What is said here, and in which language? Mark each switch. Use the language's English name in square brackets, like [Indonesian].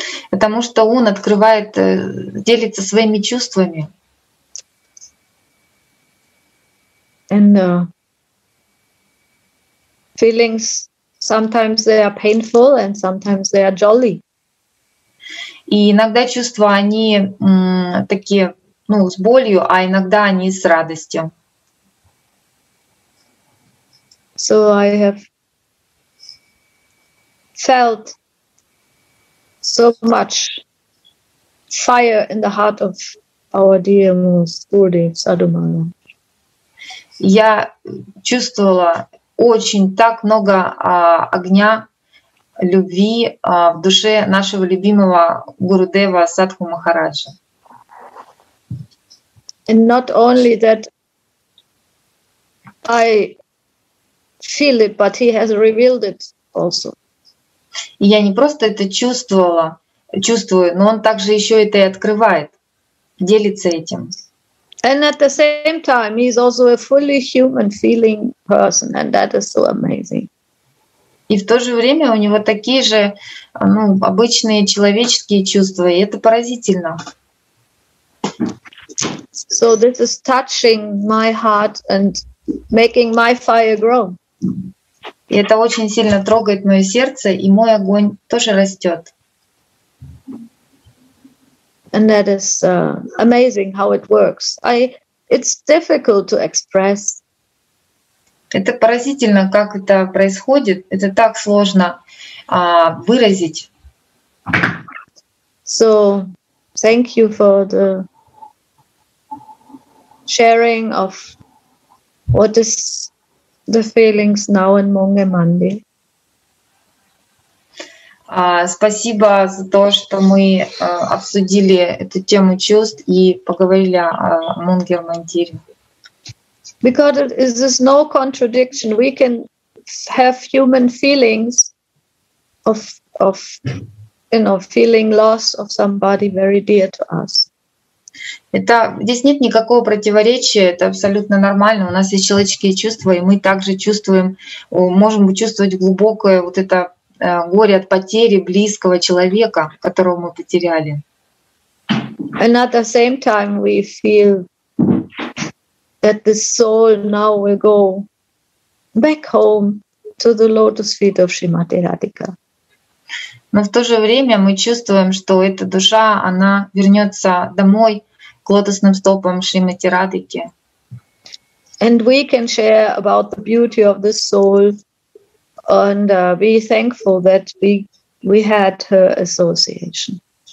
[Russian] Потому что он открывает, делится своими чувствами. [English] And feelings, sometimes they are painful and sometimes they are jolly. [Russian] И иногда чувства, они такие, ну, с болью, а иногда они с радостью. [English] So I have felt so much fire in the heart of our dear most Gurudev Sadhu Maharaj. [Russian] Я чувствовала очень так много огня, любви в душе нашего любимого Гурудева Садху Махараджа. [English] And not only that I feel it, but he has revealed it also. [Russian] Я не просто это чувствовала, чувствую, но он также еще это и открывает, делится этим. [English] And at the same time, he's also a fully human feeling person, and that is so amazing. [Russian] И в то же время у него такие же, ну, обычные человеческие чувства, и это поразительно. [English] So this is touching my heart and making my fire grow. [Russian] И это очень сильно трогает мое сердце, и мой огонь тоже растет. [English] And that is amazing how it works. It's difficult to express. [Russian] Это поразительно, как это происходит. Это так сложно выразить. [English] So, thank you for the sharing of what is the feelings now in Monge Monday. [Russian] Спасибо за то, что мы обсудили эту тему чувств и поговорили о Монге Мандире. [English] Because it is no contradiction. We can have human feelings of you know, feeling loss of somebody very dear to us. [Russian] Это здесь нет никакого противоречия, это абсолютно нормально. У нас есть человеческие чувства, и мы также чувствуем, можем чувствовать глубокое вот это горе от потери близкого человека, которого мы потеряли. [English] And at the same time we feel that the soul now will go back home to the lotus feet of Shrimati Radhika. [Russian] Но в то же время мы чувствуем, что эта душа, она вернется домой к лотосным стопам Шримати Радхики. [English] And we can share about the beauty of this soul and be thankful that we had her association.